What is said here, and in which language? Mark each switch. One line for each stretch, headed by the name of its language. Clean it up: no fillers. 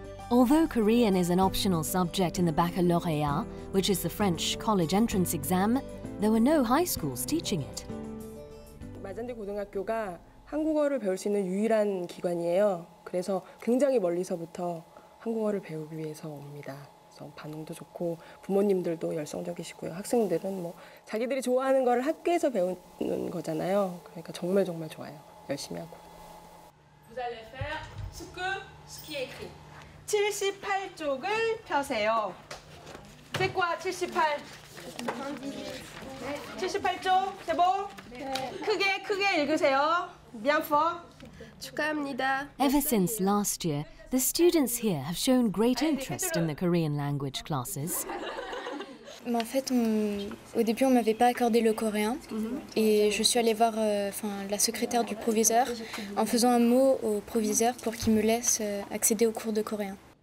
English: Although Korean is an optional subject in the baccalauréat, which is the French college entrance exam, there were no high schools teaching it.
Korean: 마젠디 고등학교가 한국어를 배울 수 있는 유일한 기관이에요. 그래서 굉장히 멀리서부터 한국어를 배우기 위해서 옵니다. 그래서 반응도 좋고 부모님들도 열성적이시고요. 학생들은 뭐 자기들이 좋아하는 거를 학교에서 배우는 거잖아요. 그러니까 정말 정말 좋아요. 열심히 하고.
French: Vous allez faire ce que ce qui est écrit.
Korean: 78쪽을 펴세요.
French: C'est quoi 78?
Korean: 78쪽, 세 번. 크게 크게 읽으세요.
English: Ever since last year, the students here have shown great interest in the Korean language classes.
French: Mais en fait, au début, on ne m'avait pas accordé le coréen. Et je suis allée voir la secrétaire du proviseur en faisant un mot au proviseur pour qu'il me laisse accéder au cours de coréen.